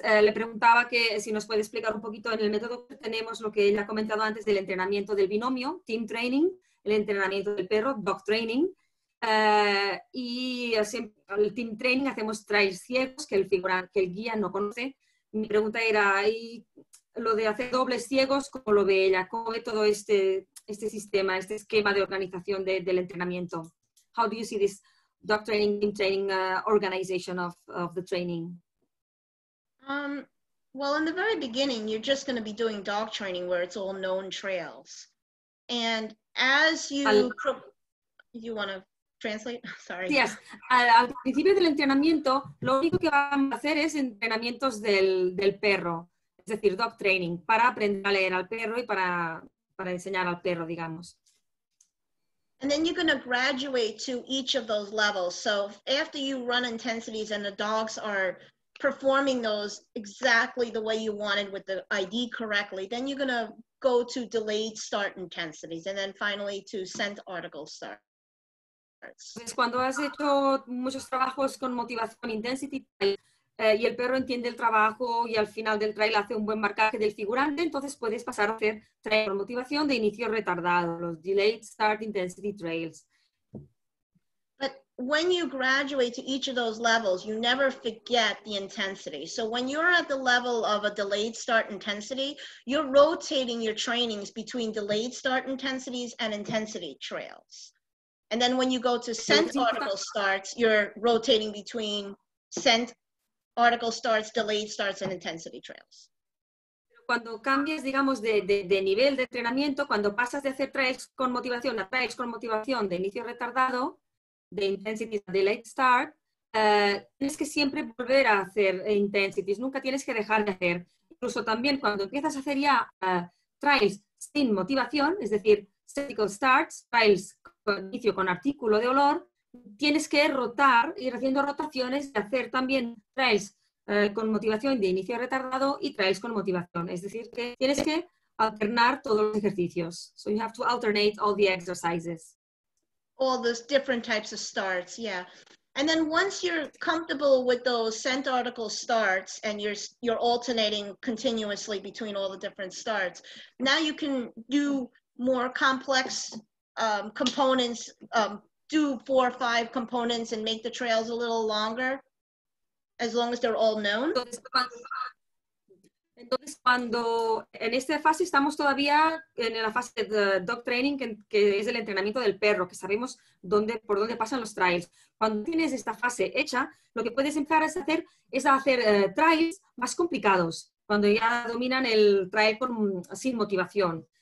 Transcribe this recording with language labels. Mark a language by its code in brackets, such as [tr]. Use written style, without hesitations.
[es] Le preguntaba que si nos puede explicar un poquito en el método que tenemos lo que ella ha comentado antes del entrenamiento del binomio, team training, el entrenamiento del perro, dog training. Y siempre, el team training hacemos trails ciegos que el guía no conoce. Mi pregunta era, ¿y lo de hacer dobles ciegos, cómo lo ve ella? ¿Cómo ve todo este sistema, este esquema de organización del entrenamiento? [en] How do you see this dog training, team training organization of the training? Well, in the very beginning, you're just going to be doing dog training where it's all known trails. And as you want to translate? Sorry. Yes. [es] Al principio del entrenamiento, lo único que van a hacer es entrenamientos del perro. Es decir, dog training, para aprender a leer al perro y para enseñar al perro, digamos. [en] And then you're going to graduate to each of those levels. So after you run intensities and the dogs are performing those exactly the way you wanted with the ID correctly, then you're going to go to delayed start intensities and then finally to sent article start. [es] Es cuando has hecho muchos trabajos con motivación intensity y el perro entiende el trabajo y al final del trail hace un buen marcaje del figurante, entonces puedes pasar a hacer trail con motivación de inicio retardado, los delayed start intensity trails. [en] But when you graduate to each of those levels, you never forget the intensity. So when you're at the level of a delayed start intensity, you're rotating your trainings between delayed start intensities and intensity trails. And then when you go to sent article starts, you're rotating between sent article starts, delayed starts, and intensity trails. [es] Cuando cambias, digamos, de nivel de entrenamiento, cuando pasas de hacer trails con motivación a trails con motivación de inicio retardado, de intensity a delayed start, tienes que siempre volver a hacer intensities. Nunca tienes que dejar de hacer. Incluso también cuando empiezas a hacer ya trails sin motivación, es decir, sentical starts, trails inicio con artículo de olor, tienes que rotar, ir haciendo rotaciones y hacer también trails con motivación de inicio retardado y trails con motivación. Es decir, que tienes que alternar todos los ejercicios. [en] So you have to alternate all the exercises. All those different types of starts, yeah. And then once you're comfortable with those sent article starts and you're alternating continuously between all the different starts, now you can do more complex components, do 4 or 5 components and make the trails a little longer, as long as they're all known. [es] Entonces, cuando en esta fase estamos todavía en la fase de dog training, que es el entrenamiento del perro, que sabemos dónde por dónde pasan los trails. Cuando tienes esta fase hecha, lo que puedes empezar a hacer es hacer trails más complicados, cuando ya dominan el trail sin motivación.